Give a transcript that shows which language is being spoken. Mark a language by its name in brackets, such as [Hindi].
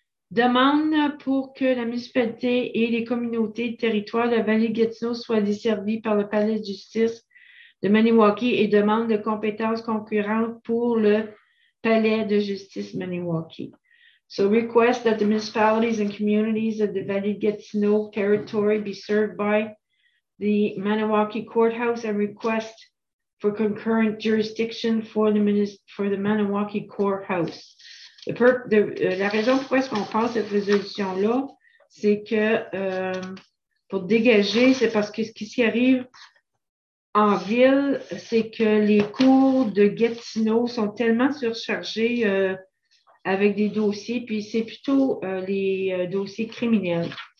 [French] Demande pour que la municipalité et les communautés de territoire de la vallée Gatineau soient desservies par le palais de justice de Maniwaki et demande de compétences concurrentes pour le palais de justice Maniwaki. [English] So request that the municipalities and communities of the Valley Gatineau territory be served by the Maniwaki Courthouse and request for concurrent jurisdiction for the Maniwaki Courthouse. [French] La raison pourquoi est-ce qu'on prend cette résolution-là, c'est que pour dégager, c'est parce que ce qui s'y arrive en ville, c'est que les cours de Gatineau sont tellement surchargés avec des dossiers, puis c'est plutôt les dossiers criminels.